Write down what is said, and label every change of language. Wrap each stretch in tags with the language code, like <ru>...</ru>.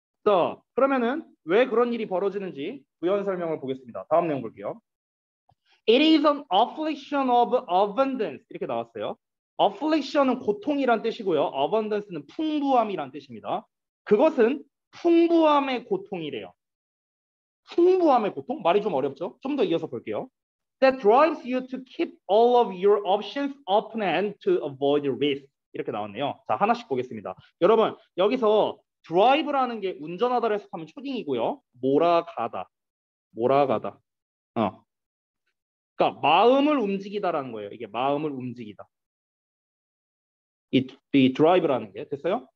<ko>자, 그러면은 왜 그런 일이 벌어지는지 부연 설명을 보겠습니다. 다음 내용 볼게요.</ko> <en>It is an affliction of abundance.</en> <ko>이렇게 나왔어요. Affliction은 고통이란 뜻이고요. Abundance는 풍부함이란 뜻입니다. 그것은 풍부함의 고통이래요. 풍부함의 고통? 말이 좀 어렵죠? 좀 더 이어서 볼게요.</ko> <en>That drives you to keep all of your options open and to avoid risk.</en> <ko>이렇게 나왔네요. 자, 하나씩 보겠습니다. 여러분, 여기서 drive라는 게 운전하다를 해석하면 초딩이고요. 몰아가다. 몰아가다. 그러니까 마음을 움직이다라는 거예요. 이게 마음을 움직이다. 이 drive라는 게 됐어요?</ko>